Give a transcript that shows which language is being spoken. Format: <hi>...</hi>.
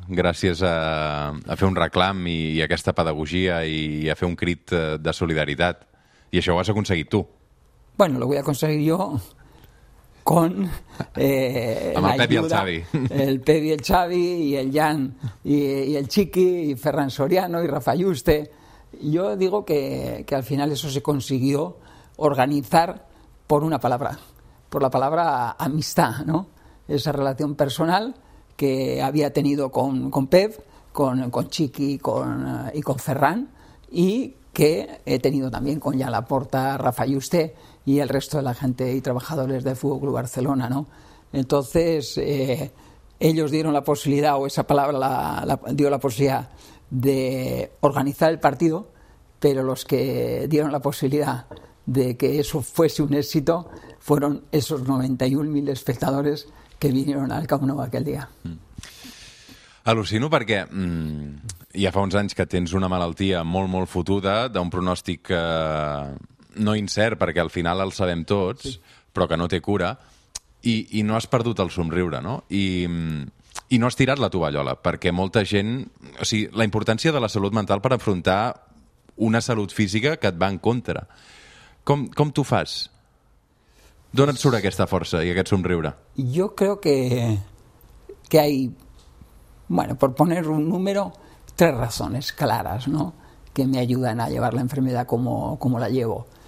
<ca>Gràcies a fer un reclam i aquesta pedagogia i a fer un crit de solidaritat. I això ho has aconseguit tu.</ca> <es>Bueno, lo voy a conseguir yo con</es> <ca>amb el Pep i el Xavi. El Pep i el Xavi i el Jan i el Chiqui i Ferran Soriano i Rafa Juste.</ca> <es>Yo digo que al final eso se consiguió organizar por una palabra, por la palabra amistad, ¿no? Esa relación personal que había tenido con Pep, con Chiqui y con Ferran, y que he tenido también con Jan Laporta, Rafa Juste y el resto de la gente y trabajadores del Fútbol Club Barcelona, ¿no? Entonces, ellos dieron la posibilidad, o esa palabra dio la posibilidad de organizar el partido, pero los que dieron la posibilidad de que eso fuese un éxito fueron esos 91.000 espectadores que vinieron al Camp Nou aquel día.</es> <ca>Al·lucino perquè ja fa uns anys que tens una malaltia molt, molt fotuda, d'un pronòstic no incert, perquè al final el sabem tots, sí, però que no té cura, i no has perdut el somriure, no? I no has tirat la tovallola, perquè molta gent... O sigui, la importància de la salut mental per afrontar una salut física que et va en contra. Com t'ho fas?</ca> <es>¿Dónde surge esta fuerza y este sonriure? Yo creo que hay, bueno, por poner un número, 3 razones claras, ¿no?, que me ayudan a llevar la enfermedad como la llevo.</es>